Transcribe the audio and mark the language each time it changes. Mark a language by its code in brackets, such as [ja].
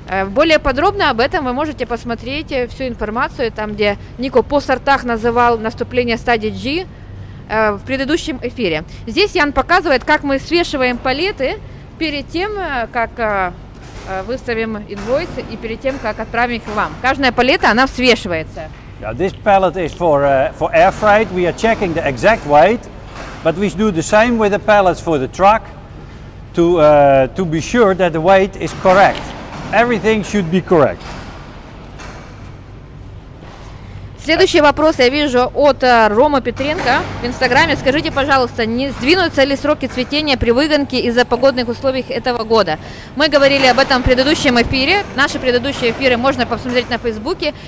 [ru] Более подробно об этом вы можете посмотреть всю информацию, там, где Нико по сортах называл наступление стадии G в предыдущем эфире. Здесь Ян показывает, как мы свешиваем палеты перед тем, как выставим инвойс и перед тем, как отправим их вам. Каждая палета, она свешивается. [en] Yeah, this pallet is for air freight. We are checking the exact weight, but we do the same with the pallets for the truck to be sure that the weight is correct. Everything should be correct. [ru] Следующий вопрос я вижу от Рома Петренко в Инстаграме. Скажите, пожалуйста, не сдвинутся ли сроки цветения при выгонке из-за погодных условий этого года? Мы говорили об этом в предыдущем эфире. Наши предыдущие эфиры можно посмотреть на Фейсбуке.